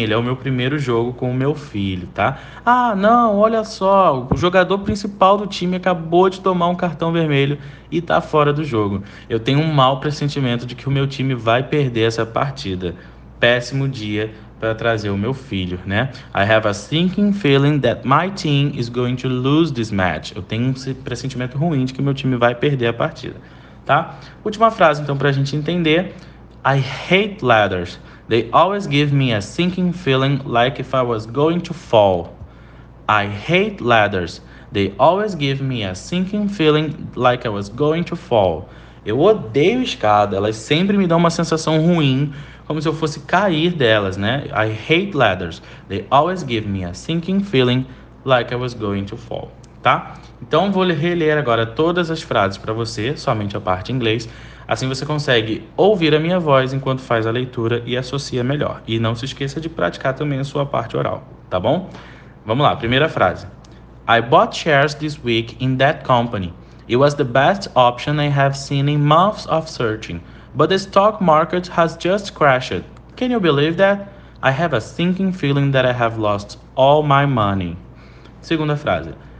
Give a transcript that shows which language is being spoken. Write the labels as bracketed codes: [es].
[pt] Ele é o meu primeiro jogo com o meu filho, tá? Ah, não, olha só, o jogador principal do time acabou de tomar um cartão vermelho e tá fora do jogo. Eu tenho um mau pressentimento de que o meu time vai perder essa partida. Péssimo dia para trazer o meu filho, né? [en] I have a sinking feeling that my team is going to lose this match. [pt] Eu tenho um pressentimento ruim de que meu time vai perder a partida, tá? Última frase, então, para a gente entender. [en] I hate ladders. They always give me a sinking feeling like if I was going to fall. I hate ladders. They always give me a sinking feeling like I was going to fall. [pt] Eu odeio escada. Elas sempre me dão uma sensação ruim, como se eu fosse cair delas, né? [en] I hate ladders. They always give me a sinking feeling like I was going to fall. Tá? [pt] Então, vou reler agora todas as frases para você, somente a parte em inglês. Assim você consegue ouvir a minha voz enquanto faz a leitura e associa melhor. E não se esqueça de praticar também a sua parte oral, tá bom? Vamos lá, primeira frase. [en] I bought shares this week in that company. It was the best option I have seen in months of searching. But the stock market has just crashed. Can you believe that? I have a sinking feeling that I have lost all my money. [pt] Segunda frase.